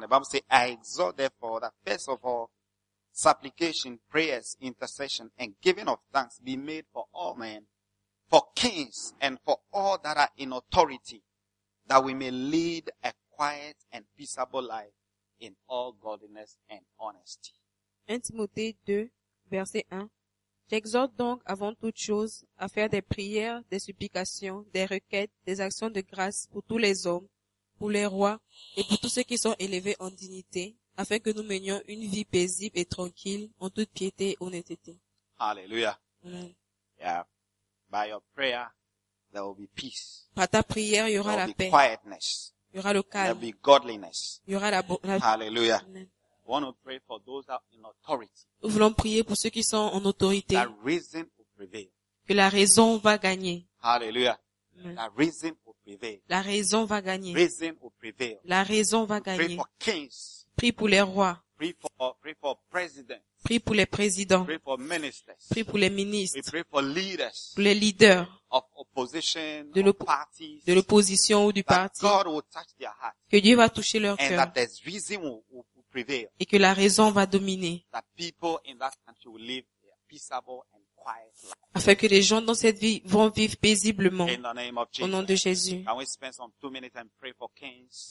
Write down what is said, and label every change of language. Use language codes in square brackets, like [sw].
[en] The Bible says, I exhort therefore that first of all, supplication, prayers, intercession, and giving of thanks be made for all men, for kings and for all that are in authority, that we may lead a quiet and peaceable life in all godliness and honesty. [fr] 1 Timothée 2, verset 1. J'exhorte donc avant toute chose à faire des prières, des supplications, des requêtes, des actions de grâce pour tous les hommes, pour les rois et pour tous ceux qui sont élevés en dignité, afin que nous menions une vie paisible et tranquille en toute piété et honnêteté. Alléluia. Amen. Yeah. [en] By your prayer, there will be peace. [fr] Par ta prière, il y aura [en] there [fr] la paix. [en] Quietness. [fr] Il y aura le calme. [en] There will be godliness. [fr] Il y aura la Hallelujah. [en] We want to pray for those that are in authority. [fr] Nous voulons prier pour ceux qui sont en autorité. [en] That reason will prevail. [fr] Que la raison va gagner. [en] Hallelujah. That reason will prevail. [fr] La raison va gagner. [en] Reason will prevail. [fr] La raison va gagner. [en] Pray for kings. [fr] Prie pour les rois. [en] Pray for presidents. [fr] Prie pour les présidents. [en] Pray for ministers. [fr] Prie pour les ministres. [en] Pray for leaders. [fr] Pour les leaders. [en] Of opposition. [fr] De l'opposition. De l'opposition ou du parti. [en] God will touch their heart. [fr] Que Dieu va toucher leur cœur. [en] And that there's reason will prevail. [fr] Et que la raison va dominer. [en] That people in that country will live a peaceable and quiet life. [fr] Afin que les gens dans cette vie vont vivre paisiblement. [en] In the name of Jesus. [fr] Au nom de Jésus. [en] Can we spend some 2 minutes and pray for kings?